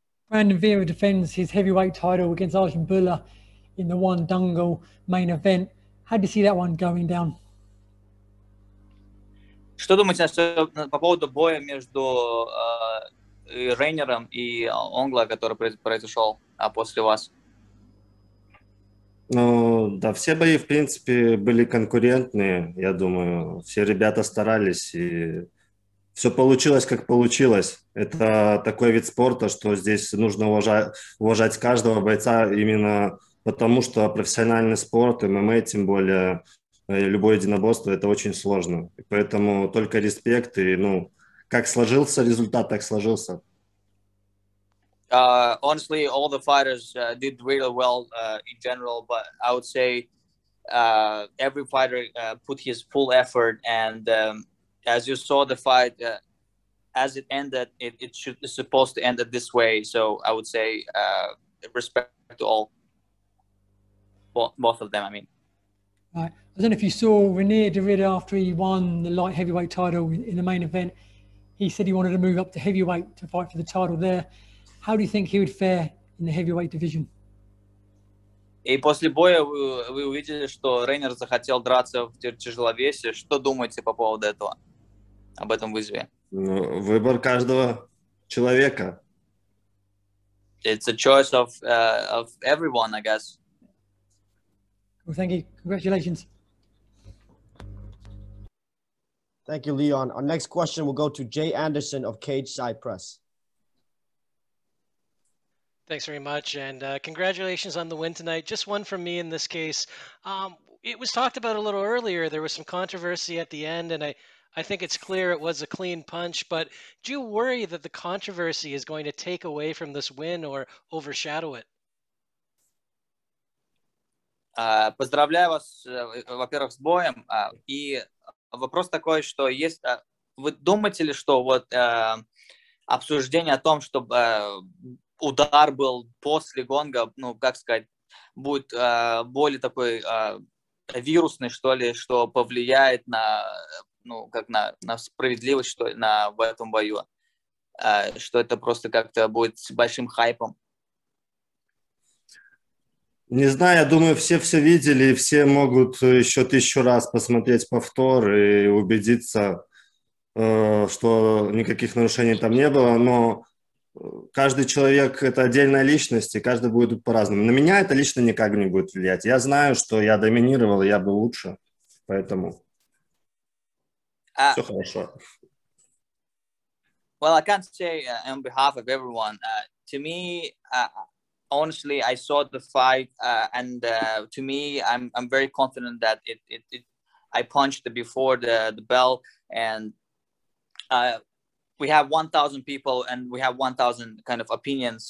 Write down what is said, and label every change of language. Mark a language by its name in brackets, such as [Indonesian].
[English] Brandon Vera defends his heavyweight title against Arjun Bulla in the One Dungle main event. How do you see that one going down? [Russian] Что думаете по поводу боя между Рейнером и Онгла, который произошел после вас? Ну, да, все бои, в принципе, были конкурентные, я думаю. Все ребята старались, и все получилось, как получилось. Это такой вид спорта, что здесь нужно уважать каждого бойца именно потому, что профессиональный спорт, ММА, тем более, любое единоборство, это очень сложно. И поэтому только респект, и, ну, как сложился результат, так сложился. [English] Honestly, all the fighters did really well in general, but I would say every fighter put his full effort, and as you saw the fight, as it ended, it should be supposed to end this way, so I would say respect to all, both of them, I mean. Right. I don't know if you saw Rene Darida after he won the light heavyweight title in the main event, he said he wanted to move up to heavyweight to fight for the title there. How do you think he would fare in the heavyweight division? [Russian] И после боя вы увидели, что Рейнер захотел драться в тяжеловесе. Что думаете по поводу этого, об этом вызове? Ну, выбор каждого человека. [English] It's a choice of everyone, I guess. Well, thank you. Congratulations. Thank you, Leon. Our next question will go to Jay Anderson of Cage Side Press. Thanks very much, and congratulations on the win tonight. Just one from me in this case. It was talked about a little earlier. There was some controversy at the end, and I think it's clear it was a clean punch, but do you worry that the controversy is going to take away from this win or overshadow it? [Russian] Поздравляю вас, во-первых, с боем. И вопрос такой, что есть... вы думаете ли, что вот обсуждение о том, чтобы... удар был после гонга, ну, как сказать, будет более такой вирусный, что ли, что повлияет на, ну, как на справедливость, что ли, на, в этом бою, что это просто как-то будет с большим хайпом. Не знаю, я думаю, все видели, все могут еще тысячу раз посмотреть повтор и убедиться, что никаких нарушений там не было, но каждый человек – это отдельная личность, и каждый будет по-разному. На меня это лично никак не будет влиять. Я знаю, что я доминировал, я был лучше, поэтому все хорошо. [English] Well, I can't say on behalf of everyone. To me, honestly, I saw the fight, and to me, I'm very confident that it I punched before the bell, and we have 1,000 people and we have 1,000 kind of opinions.